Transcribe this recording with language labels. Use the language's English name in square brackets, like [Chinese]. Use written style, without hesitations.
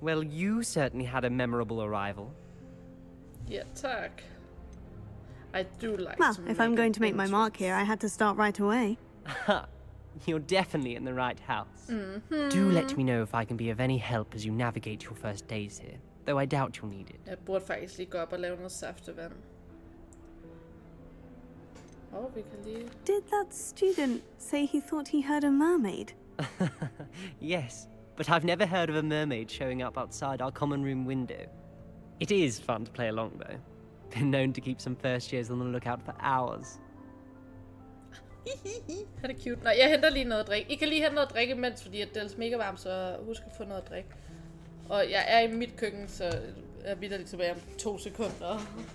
[English] Well, you certainly had a memorable arrival. Yeah, tack. I do like well, if I'm going to make my mark here, I had to start right away. Ha! You're definitely in the right house. Mm-hmm. Do let me know if I can be of any help as you navigate your first days here. Though I doubt you'll need it. [Danish] Jeg burde faktisk lige gå op og lave noget saftevand. Oh, vi kan lige... [English] Did that student say he thought he heard a mermaid? Yes, but I've never heard of a mermaid showing up outside our common room window. It is fun to play along, though. Been known to keep some first years on the lookout for hours. [Danish] Han er cute. Nej, jeg henter lige noget at drikke. I kan lige hente noget at drikke imens, fordi det er altså mega varmt, så husk at få noget at drikke. Og jeg er i mit køkken, så jeg bitter lige tilbage om 2 sekunder.